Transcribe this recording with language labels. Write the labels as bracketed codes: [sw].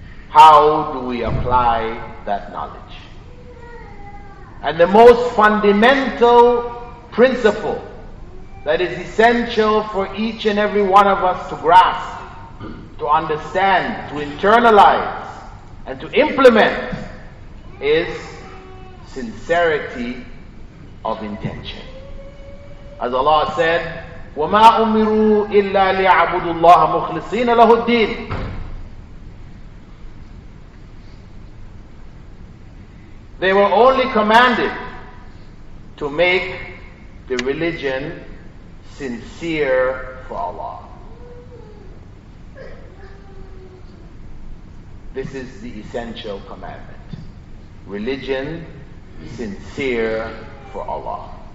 [en] How do we apply that knowledge? And the most fundamental principle that is essential for each and every one of us to grasp, to understand, to internalize, and to implement is sincerity of intention. As Allah said, [ar] وَمَا أُمِرُوا إِلَّا لِيَعْبُدُوا اللَّهَ مُخْلِصِينَ لَهُ الدِّينِ. [en] They were only commanded to make the religion sincere for Allah. This is the essential commandment. Religion sincere for Allah.